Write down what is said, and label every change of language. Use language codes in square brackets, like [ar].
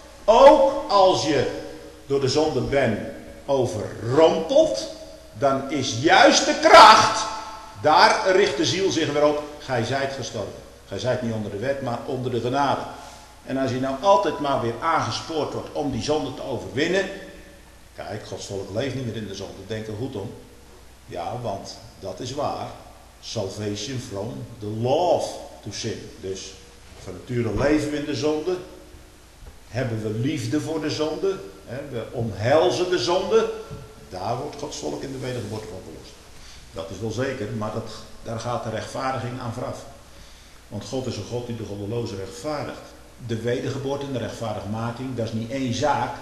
[nl] Ook als je door de zonde bent overrompeld, dan is juist de kracht, daar richt de ziel zich weer op, gij zijt gestorven. Gij zijt niet onder de wet, maar onder de genade. En als je nou altijd maar weer aangespoord wordt om die zonde te overwinnen, kijk, Gods volk leeft niet meer in de zonde, denk er goed om. Ja, want dat is waar. [en] Salvation from the law to sin. [nl] Dus van nature leven we in de zonde. Hebben we liefde voor de zonde. Hè? We omhelzen de zonde. Daar wordt Gods volk in de wedergeboorte van verlost. Dat is wel zeker, maar daar gaat de rechtvaardiging aan vooraf. Want God is een God die de goddeloze rechtvaardigt. De wedergeboorte en de rechtvaardigmaking, dat is niet één zaak.